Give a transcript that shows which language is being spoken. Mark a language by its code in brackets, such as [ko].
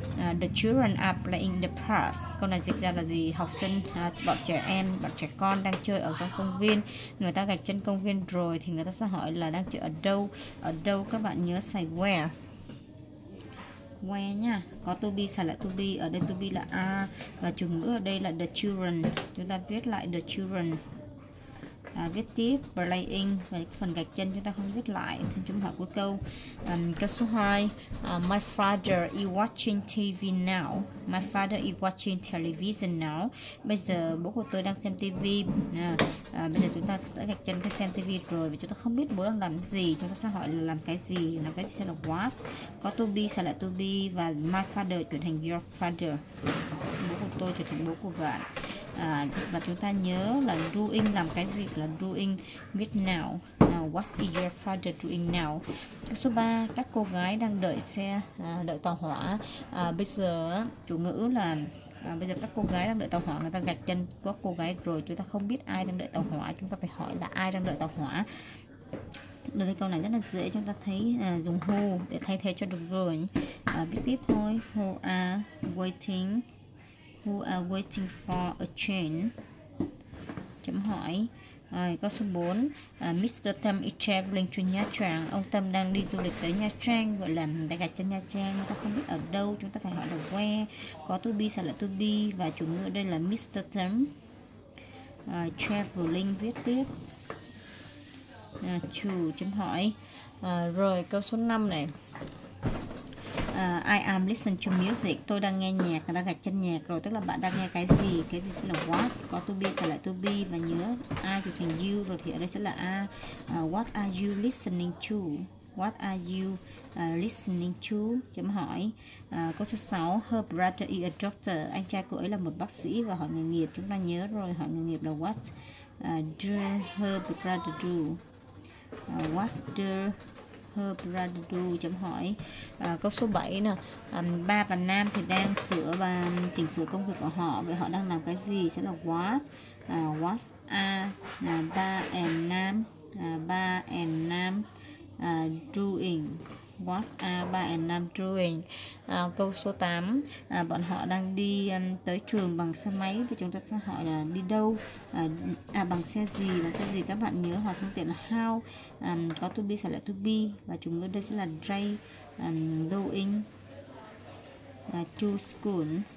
[en] The children are playing the park. [vi] Câu này dịch ra là gì? Học sinh, bọn trẻ con đang chơi ở trong công viên. Người ta gạch chân công viên rồi thì người ta sẽ hỏi là đang chơi ở đâu? Ở đâu các bạn nhớ xài where? Where nha. Có to be xài lại to be. Ở đây to be là are và chủ ngữ ở đây là [en] the children. [vi] Chúng ta viết lại [en] the children. [vi] Viết tiếp playing và phần gạch chân chúng ta không viết lại thêm chấm hỏi cuối câu. Câu số 2, [en] my father is watching TV now. My father is watching television now. [vi] Bây giờ bố của tôi đang xem TV. Bây giờ chúng ta sẽ gạch chân cái xem TV rồi vì chúng ta không biết bố đang làm gì. Chúng ta sẽ hỏi là làm cái gì, làm cái gì sẽ là what. Có to be sẽ là to be và [en] my father chuyển thành your father. [vi] Bố của tôi trở thành bố của bạn. Và chúng ta nhớ là doing làm cái gì, là doing viết nào. [en] What is your father doing now? [vi] Câu số 3, các cô gái đang đợi xe, đợi tàu hỏa. Bây giờ chủ ngữ là bây giờ các cô gái đang đợi tàu hỏa, người ta gạch chân các cô gái rồi, chúng ta không biết ai đang đợi tàu hỏa, chúng ta phải hỏi là ai đang đợi tàu hỏa. Đối với câu này rất là dễ, chúng ta thấy dùng who để thay thế cho được rồi. Viết tiếp thôi, [en] who are waiting. Who are waiting for a train? [vi] Chấm hỏi. Rồi, câu số 4. Mr. [en] Tam is traveling to Nha Trang. [vi] Ông Tam đang đi du lịch tới Nha Trang. Gọi là đại gạch chân Nha Trang. Người ta không biết ở đâu. Chúng ta phải hỏi là where. Có to be, sẽ là to be. Và chủ ngữ đây là Mr. Tam. Traveling, viết tiếp. To, chấm hỏi. Rồi, câu số 5 này. [en] I am listening to music. [vi] Tôi đang nghe nhạc. Người ta gạch chân nhạc rồi, tức là bạn đang nghe cái gì? Cái gì sẽ là what? Có to be sẽ là to be và nhớ I trở thành you rồi thì ở đây sẽ là a. [en] What are you listening to? What are you listening to? [vi] Chấm hỏi. Câu số 6. [en] Her brother is a doctor. [vi] Anh trai cô ấy là một bác sĩ và hỏi nghề nghiệp. Chúng ta nhớ rồi. Hỏi nghề nghiệp là what? [en] Do her brother do? What do? Her brother do, [vi] chấm hỏi. Câu số 7 nè. Ba và Nam thì đang sửa và chỉnh sửa công việc của họ. Vậy họ đang làm cái gì? Sẽ là what? [en] What are ba and Nam? Ba and Nam doing. What are ba and Nam doing? [vi] Câu số 8. Bọn họ đang đi tới trường bằng xe máy. Vậy chúng ta sẽ hỏi là đi đâu? Bằng xe gì? Là xe gì? Các bạn nhớ hỏi phương tiện là how. Có to be sẽ là to be. Và chúng ta đây sẽ là [en] dry going to school.